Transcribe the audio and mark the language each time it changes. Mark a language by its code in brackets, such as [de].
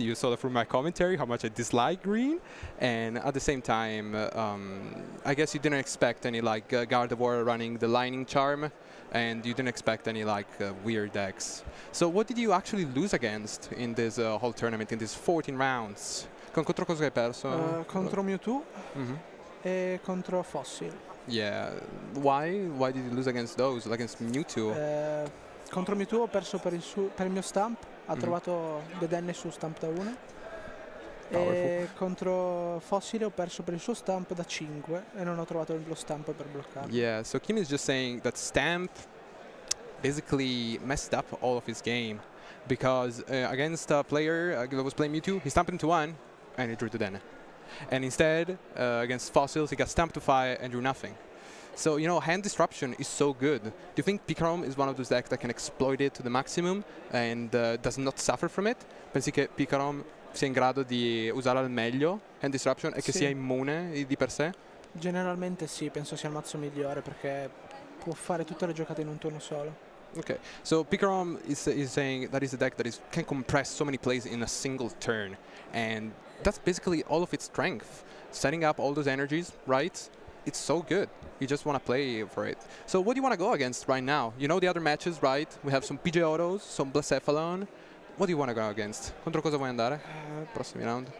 [en] You saw that from my commentary how much I dislike green. And at the same time, I guess you didn't expect any like Gardevoir running the lining charm, and you didn't expect any like weird decks. So what did you actually lose against in this whole tournament, in these 14 rounds? [it] Con contro cosa hai perso? Contro Mewtwo e contro Fossil. [en] Yeah, why did you lose against those, against Mewtwo? [it] Contro Mewtwo ho perso per il mio stamp. Ha trovato The Denne su stamp da 1. E contro Fossile ho perso per il suo stamp da 5 e non ho trovato lo stamp per bloccarlo. [en] Yeah, so Kim is just saying that stamp basically messed up all of his game, because against a player that was playing Mewtwo, he stamped into 1 and he drew The Denne. And instead, against Fossils, he got stamped to 5 and drew nothing. So, you know, hand disruption is so good. Do you think Picarom is one of those decks that can exploit it to the maximum and does not suffer from it? [it] Pensi che Picarom sia in grado di usare al meglio hand disruption e che sia immune di per sé? Generalmente sì, penso sia il mazzo migliore perché può fare tutte le giocate in un turno solo. [en] Okay, so Picarom is saying that is a deck that is can compress so many plays in a single turn, and that's basically all of its strength. Setting up all those energies, right? It's so good. You just want to play for it. So what do you want to go against right now? You know the other matches, right? We have some PJ Autos, some Blacephalon. What do you want to go against? [it] Contro cosa vuoi andare? Prossimi round.